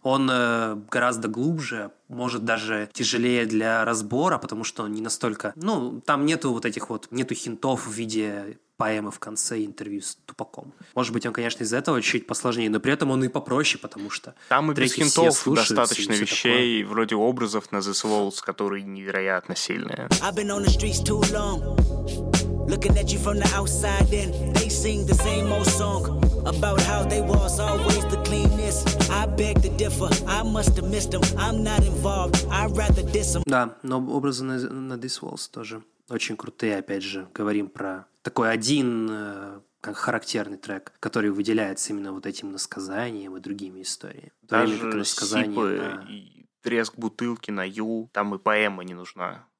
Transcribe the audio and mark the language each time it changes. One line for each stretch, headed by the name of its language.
Russian: Он гораздо глубже, может даже тяжелее для разбора, потому что он не настолько... Ну, там нету вот этих вот, нету хинтов в виде поэмы в конце интервью с Тупаком. Может быть, он, конечно, из-за этого чуть посложнее, но при этом он и попроще, потому что... Там и без хинтов достаточно вещей, такое. Вроде образов на This Waltz, которые невероятно сильные.
English: I've been on the streets too long. Looking at you from the outside, and they sing the same old song about how they was always the cleanest. I beg to differ. I must have missed them. I'm not involved. I'd rather diss them.
Russian: Да, но образы на This Waltz тоже очень крутые. Опять же, говорим про такой один как характерный трек, который выделяется именно вот этим насказанием и другими историями. Даже сипы на... и треск бутылки на Ю, там и поэма не нужна.